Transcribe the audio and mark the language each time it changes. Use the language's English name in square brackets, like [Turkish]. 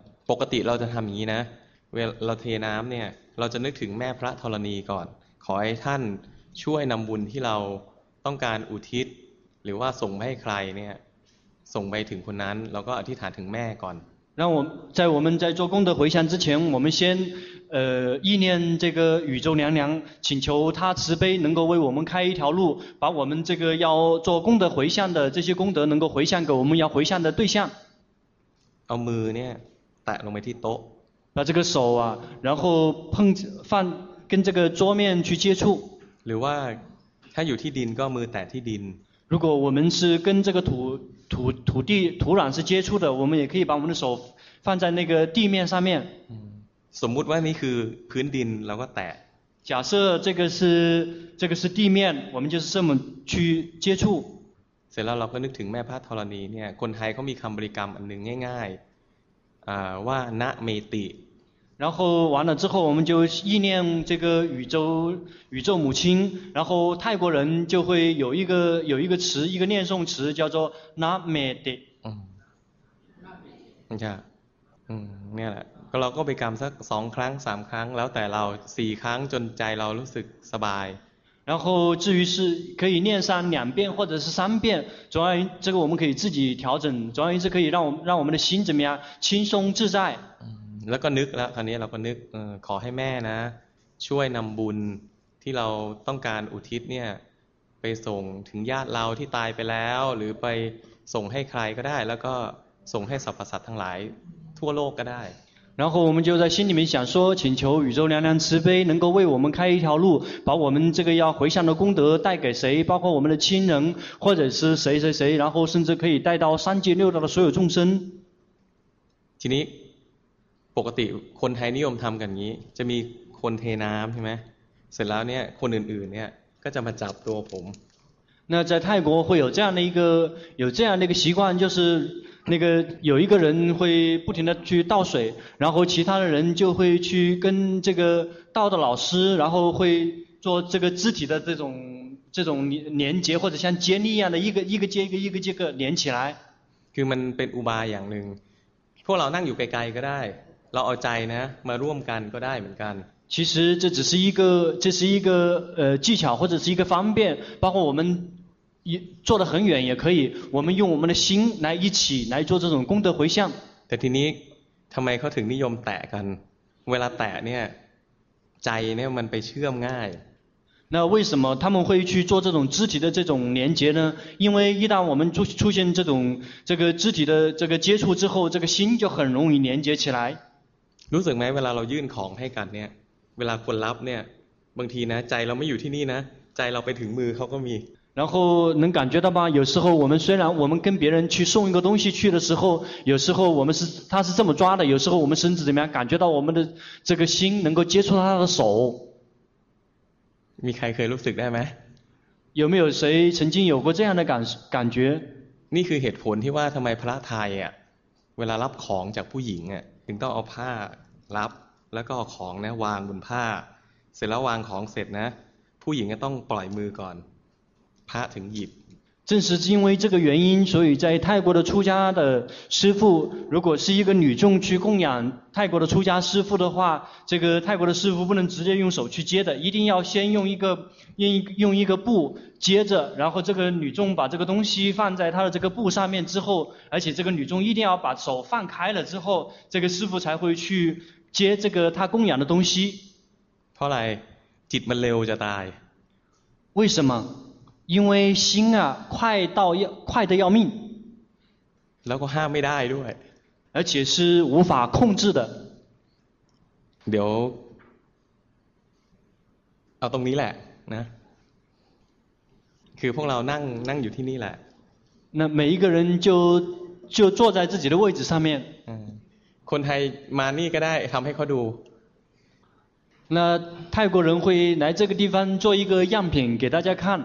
[Thai] ปกติเราจะทำอย่างนี้นะเวลาเราเทน้ำเนี่ยเราจะนึกถึงแม่พระธรณีก่อนขอให้ท่านช่วยนำบุญที่เราต้องการอุทิศหรือว่าส่งไปให้ใครเนี่ยส่งไปถึงคนนั้นเราก็อธิษฐานถึงแม่ก่อน [Chinese] 让我在我们在做功德回向之前，我们先意念这个宇宙娘娘，请求她慈悲能够为我们开一条路，把我们这个要做功德回向的这些功德能够回向给我们要回向的对象。 [Thai] เอามือเนี่ยแตะลงไปที่โต๊ะ [Chinese] 把这个手啊，然后碰放跟这个桌面去接触。 [Thai] หรือว่าถ้าอยู่ที่ดินก็มือแตะที่ดิน。 [Chinese] 如果我们是跟这个土地土壤是接触的我们也可以把我们的手放在那个地面上面 [Thai] สมมุติว่านี่คือพื้นดินเราก็แตะ [Chinese] 假设这个是地面我们就是这么去接触 [Thai] เสร็จแล้วเราก็นึกถึงแม่พระธรณีเนี่ยคนไทยเขามีคำบริกรรมอันหนึ่งง่ายๆ 哇那美帝 [Chinese] 然后完了之后我们就意念这个宇宙母亲然后泰国人就会有一个词一个念诵词叫做那美帝嗯你看嗯念了 [Thai] เราก็ไปกรรมสักสองครั้งสามครั้งแล้วแต่เราสี่ครั้งจนใจเรารู้สึกสบาย [Chinese] 然后至于是可以念上两遍或者是三遍总而言之这个我们可以自己调整总而言之可以让我们的心怎么样轻松自在 [Thai] แล้วก็นึกแล้วคราวนี้เราก็นึกขอให้แม่นะช่วยนำบุญที่เราต้องการอุทิศเนี่ยไปส่งถึงญาติเราที่ตายไปแล้วหรือไปส่งให้ใครก็ได้แล้วก็ส่งให้สรรพสัตว์ทั้งหลายทั่วโลกก็ได้ [Chinese] 然后我们就在心里面想说请求宇宙娘娘慈悲能够为我们开一条路把我们这个要回向的功德带给谁包括我们的亲人或者是谁谁谁然后甚至可以带到三界六道的所有众生 [Thai] ทีนี้ปกติคนไทยนิยมทำกันนี้จะมีคนเทน้ำใช่ไหมเสร็จแล้วเนี่ยคนอื่นๆเนี่ยก็จะมาจับตัวผม [Chinese] 那在泰国会有这样的一个习惯就是那个有一个人会不停地去倒水然后其他的人就会去跟这个倒的老师然后会做这个肢体的这种连接或者像接力一样的一个连起来 [Thai] คือมันเป็นอุบายอย่างหนึ่งพวกเรานั่งอยู่ไกลๆก็ได้เราเอาใจนะมาร่วมกันก็ได้เหมือนกัน [Chinese] 其实这只是一个技巧或者是一个方便包括我们做得很远也可以我们用我们的心来一起来做这种功德回向 [Thai] แต่ทีนี้ทำไมเขาถึงนิยมแตะกันเวลาแตะเนี่ยใจเนี่ยมันไปเชื่อมง่าย [Chinese] 那为什么他们会去做这种肢体的这种连接呢因为一旦我们 出现这种这个肢体的这个接触之后这个心就很容易连接起来 [Thai] รู้สึกไหมเวลาเรายื่นของให้กันเนี่ยเวลาคนรับเนี่ยบางทีนะใจเราไม่อยู่ที่นี่นะใจเราไปถึงมือเขาก็มี [Chinese] 然后能感觉到吗有时候我们虽然我们跟别人去送一个东西去的时候有时候我们是他是这么抓的有时候我们甚至怎么样感觉到我们的这个心能够接触到他的手 [Thai] มีใครเคยรู้สึกได้ไหม [Chinese] 有没有谁曾经有过这样的感觉 [Thai] นี่คือเหตุผลที่ว่าทำไมพระไทยอ่ะเวลารับของจากผู้หญิงอ่ะถึงต้องเอาผ้ารับแล้วก็เอาของนะวางบนผ้าเสร็จแล้ววางของเสร็จนะผู้หญิงก็ต้องปล่อยมือก่อนพระถึงหยิบ [Chinese] 正是因为这个原因所以在泰国的出家的师父如果是一个女众去供养泰国的出家师父的话这个泰国的师父不能直接用手去接的一定要先用一个布接着然后这个女众把这个东西放在她的这个布上面之后而且这个女众一定要把手放开了之后这个师父才会去接这个她供养的东西 [Thai] เพราะอะไรจิตมันเร็วจะตาย [Chinese] 为什么因为心啊快到要快得要命 [Thai] แล้วก็ห้ามไม่ได้ด้วย [Chinese] 而且是无法控制的 [Thai] เดี๋ยวเอาตรงนี้แหละนะคือพวกเรานั่งอยู่ที่นี่แหละ [Chinese] 那每一个人就坐在自己的位置上面 [Thai] คนไทยมานี่ก็ได้ทำให้เขาดู [Chinese] 那泰国人会来这个地方做一个样品给大家看